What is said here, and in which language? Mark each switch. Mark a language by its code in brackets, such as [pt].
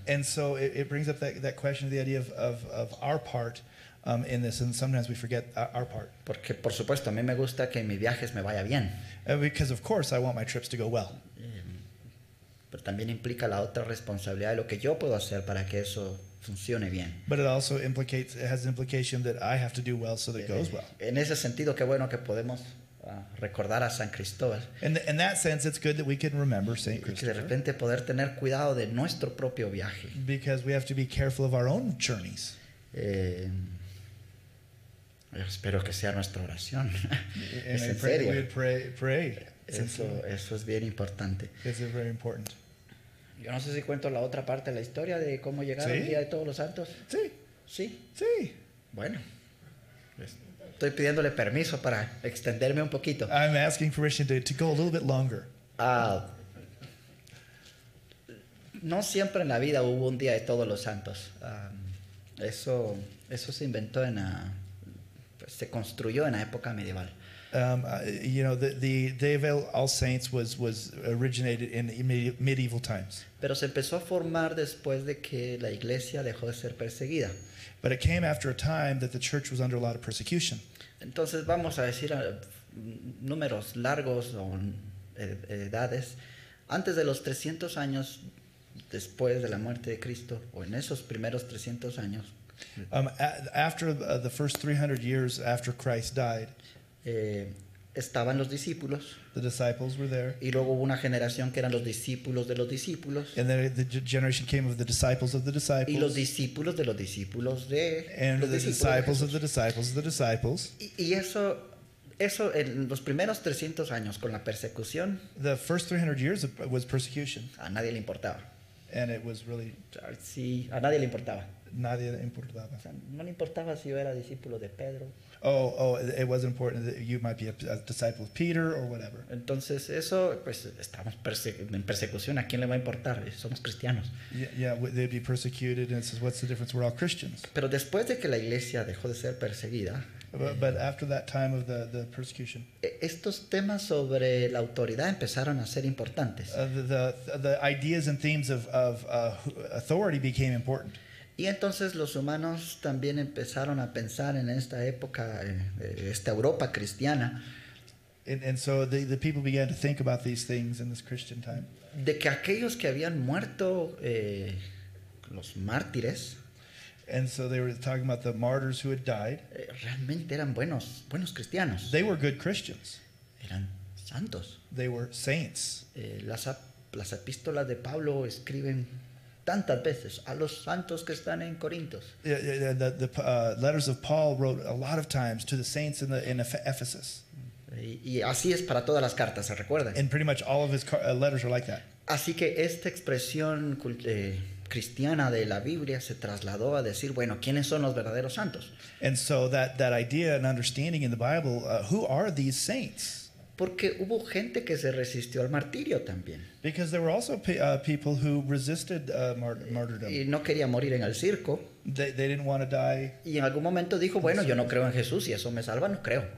[en] And so it brings up that question of the idea of our part in this, and sometimes we forget our part. [es] Porque por supuesto a mí me gusta que mis viajes me vaya bien. [en] Because of course I want my trips to go well. [es] Pero también implica la otra responsabilidad de lo que yo puedo hacer para que eso funcione bien. [en] But it also implicates, it has an implication that I have to do well so that it goes well. [es] En ese sentido, qué bueno que podemos recordar a San Cristóbal. [en] In that sense, it's good that we can remember Saint Christopher. [es] Y que de repente poder tener cuidado de nuestro propio viaje. [en] Because we have to be careful of our own journeys. [es] Espero que sea nuestra oración. [en] And [es] es en serio. [en] We would pray. [es] Eso es bien importante. [en] It's very important. [es] Yo no sé si cuento la otra parte de la historia de cómo llegaron el día de todos los santos. Sí. Sí. Sí. Bueno. Estoy pidiéndole permiso para extenderme un poquito. [en] I'm asking permission to go a little bit longer. [es] No siempre en la vida hubo un día de todos los santos. Eso se inventó se construyó en la época medieval. [en] The Day of All Saints was originated in medieval times. [es] Pero se empezó a formar después de que la iglesia dejó de ser perseguida. [en] But it came after a time that the church was under a lot of persecution. [es] Entonces vamos a decir números largos o edades antes de los 300 años después de la muerte de Cristo o en esos primeros 300 años. [en] After the first 300 years after Christ died. [es] Estaban los discípulos. [en] The disciples were there. [es] Y luego hubo una generación que eran los discípulos de los discípulos. [en] And then the generation came of the disciples of the disciples. [es] Y los discípulos de los discípulos de. [en] And [es] los [en] the disciples of the disciples of the disciples. [es] Y eso en los primeros 300 años con la persecución. [en] The first 300 years was persecution. [es] A nadie le importaba. [en] And it was really. [es] Sí, a nadie le importaba. Nadie le importaba. O sea, no le importaba si yo era discípulo de Pedro. Oh, it wasn't important that you might be a disciple of Peter or whatever. Entonces eso, pues, estamos en persecución. ¿A quién le va a importar? Somos cristianos. [en] Yeah, they'd be persecuted, and it says, what's the difference? We're all Christians. [es] Pero después de que la iglesia dejó de ser perseguida. [en] But after that time of the persecution. [es] Estos temas sobre la autoridad empezaron a ser importantes. [en] The ideas and themes of authority became important. [es] Y entonces los humanos también empezaron a pensar en esta época, esta Europa cristiana. [en] And so the people began to think about these things in this Christian time. [es] De que aquellos que habían muerto, los mártires. [en] And so they were talking about the martyrs who had died. [es] Realmente eran buenos cristianos. [en] They were good Christians. [es] Eran santos. [en] They were saints. [es] Las epístolas de Pablo escriben tantas veces a los santos que están en Corintios. [en] Letters of Paul wrote a lot of times to the saints in Ephesus. [es] Y así es para todas las cartas, ¿se recuerdan? [en] And pretty much all of his letters are like that. [es] Así que esta expresión cristiana de la Biblia se trasladó a decir, bueno, ¿quiénes son los verdaderos santos? [en] And so that idea and understanding in the Bible, who are these saints? [es] Porque hubo gente que se resistió al martirio también. [en] Because there were also people who resisted martyrdom. [es] Y no quería morir en el circo. [en] They didn't want to die. [es] Y en algún momento dijo, bueno, yo no creo en Jesús y eso me salva, no creo.